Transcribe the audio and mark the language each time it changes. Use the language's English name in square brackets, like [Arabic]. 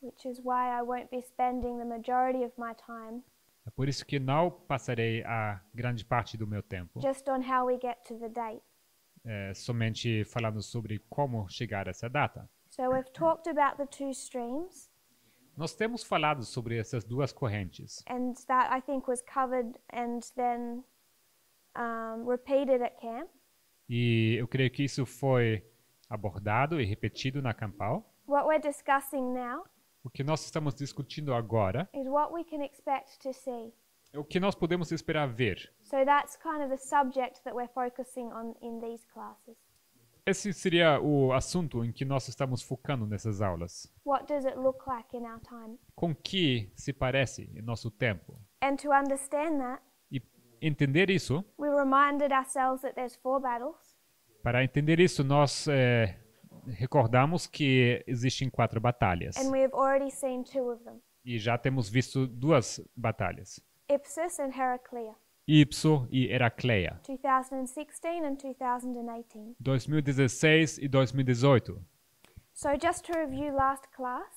[English] Which is why I won't be spending the majority of my time. [Portuguese] É por isso que não passarei a grande parte do meu tempo [English] just on how we get to the date. [Portuguese] Somente falando sobre como chegar a essa data. [English] So we've talked about the two streams. [Portuguese] Nós temos falado sobre essas duas correntes. [English] And that I think was covered and then repeated at camp. [Portuguese] E eu creio que isso foi abordado e repetido na campal. [English] What we're discussing now. [Portuguese] O que nós estamos discutindo agora. [English] Is what we can expect to see. [Portuguese] É o que nós podemos esperar ver. [English] So that's kind of the subject that we're focusing on in these classes. [Portuguese] Esse seria o assunto em que nós estamos focando nessas aulas. [English] What does it look like in our time? [Portuguese] Com que se parece em nosso tempo? [English] And to understand that, [Portuguese] e entender isso, [English] we reminded ourselves that there's four battles. [Portuguese] Para entender isso, nós recordamos que existem quatro batalhas. [English] And we have already seen two of them. [Portuguese] E já temos visto duas batalhas. [English] Ipsos and Heraclea. [Portuguese] Ipso e Heracleia. [English] 2016 and 2018. [Portuguese] 2016 e 2018. [English] So just to review last class.